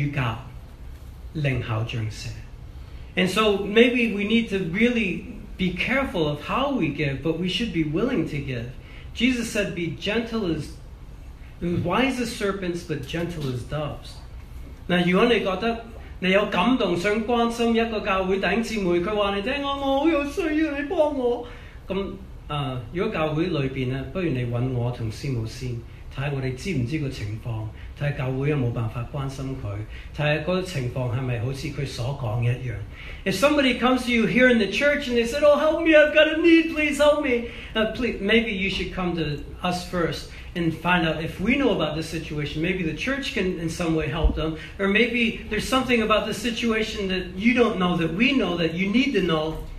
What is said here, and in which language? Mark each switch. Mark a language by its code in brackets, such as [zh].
[zh] 我想我们帮人是要了解清楚的情况，应该是有慷慨的心，但应该是看真些。耶稣说，信与教，灵效彰显。 [en] And so maybe we need to really be careful of how we give, but we should be willing to give. Jesus said, be gentle as wise as serpents, but gentle as doves. [zh] 那如果你觉得 你有感動想關心一個教會弟兄姊妹，他說你聽，我好有需要，你幫我。如果教會裏面，不如你找我同司母先，看看我們知不知道情況，看看教會有沒有辦法關心他，看看那個情況是不是好像他所說一樣。 [en] If somebody comes to you here in the church and they said, oh, help me, I've got a need, please help me. Please, maybe you should come to us first and find out if we know about this situation. Maybe the church can in some way help them. Or maybe there's something about the situation that you don't know, that we know, that you need to know.